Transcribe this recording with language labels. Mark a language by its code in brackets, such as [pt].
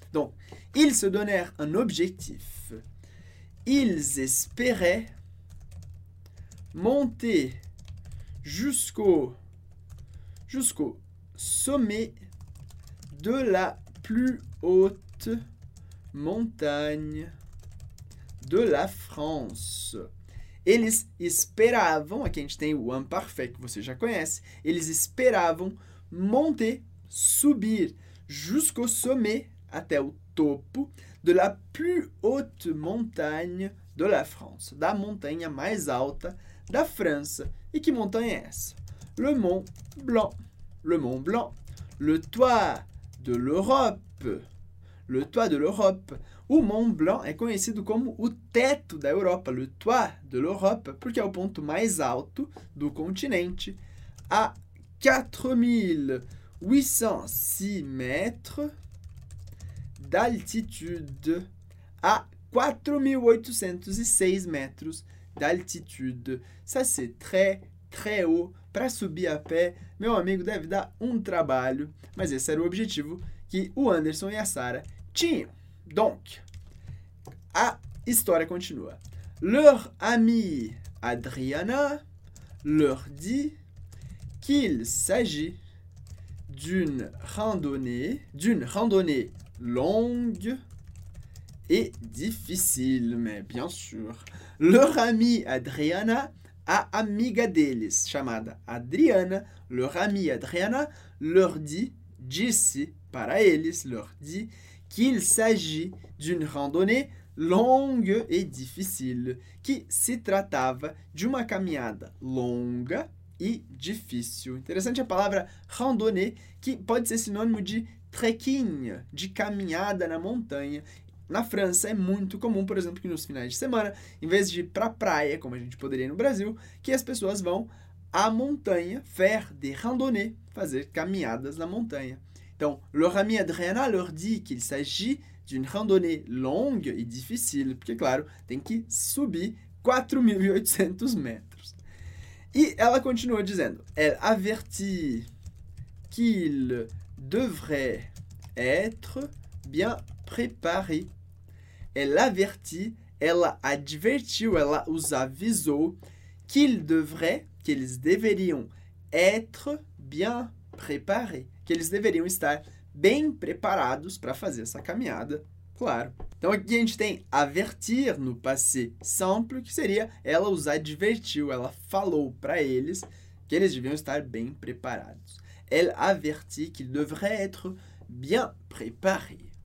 [fr] Donc, ils se donnèrent un objectif. Ils espéraient monter jusqu'au sommet de la plus haute montagne de la France. [pt] Eles esperavam, aqui a gente tem o imparfait que você já conhece, eles esperavam monter, subir [fr] jusqu'au sommet, [pt] até o topo, [fr] de la plus haute montagne de la France, [pt] da montanha mais alta da França. E que montanha é essa? [fr] Le Mont Blanc, le Mont Blanc, le toit de l'Europe, le toit de l'Europe. [pt] O Mont Blanc é conhecido como o teto da Europa, [fr] le toit de l'Europe, [pt] porque é o ponto mais alto do continente, [fr] a 4806 mètres d'altitude, [pt] à 4806 mètres d'altitude. [fr] Ça, c'est très, très haut. [pt] Para subir a pé, meu amigo deve dar um trabalho. Mas esse era o objetivo que o Anderson e a Sarah tinham. Donc, a história continua. [fr] Leur ami Adriana leur dit qu'il s'agit d'une randonnée longue et difficile, mais bien sûr. Leur ami Adriana, [pt] a amiga deles, chamada Adriana, [fr] leur ami Adriana leur dit, [pt] disse para eles, [fr] leur dit, qu'il s'agit d'une randonnée longue et difficile, [pt] que se tratava de uma caminhada longa e difícil. Interessante a palavra randonnée, que pode ser sinônimo de trekking, de caminhada na montanha. Na França é muito comum, por exemplo, que nos finais de semana, em vez de ir para a praia, como a gente poderia no Brasil, que as pessoas vão à montanha, [fr] faire des randonnées, [pt] fazer caminhadas na montanha. Então, [fr] leur ami Adriana leur dit qu'il s'agit d'une randonnée longue et difficile, [pt] porque, claro, tem que subir 4.800 metros. E ela continua dizendo, [fr] elle avertit qu'il devrait être bien préparé. Elle avertit, [pt] ela advertiu, ela os avisou [fr] qu'il devrait, [pt] que eles deveriam [fr] être bien préparé, [pt] que eles deveriam estar bem preparados para fazer essa caminhada, claro. Então aqui a gente tem avertir no passé simple, que seria ela os advertiu, ela falou para eles que eles deviam estar bem preparados. [fr] Elle avertit qu'il devrait être bien préparé.